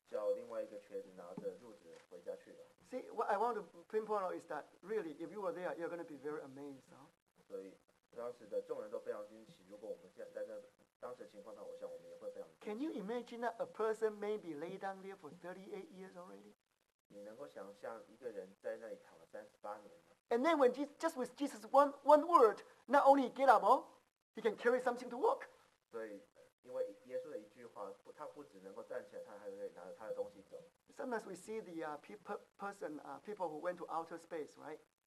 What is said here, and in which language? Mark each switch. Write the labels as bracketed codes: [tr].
[zh] 所以这里是另外一个神迹，就是神叫另外一个瘸子拿着褥子回家去了。 [en] See, what I want to pinpoint out is that really, if you were there, you're going to be very amazed. Huh? [zh] 所以当时的众人都非常惊奇。如果我们在那当时情况上，我想我们也会非常惊奇。 [en] Can you imagine that a person may be laid down there for 38 years already? [zh] 你能够想象一个人在那里躺了38年吗？ [en] And then when Jesus, just with Jesus one word, not only get up, oh, he can carry something to walk. [zh] 所以，因为耶稣的一句话，他不只能够站起来，他还会拿着他的东西走。 [en] Sometimes we see the people who went to outer space, right?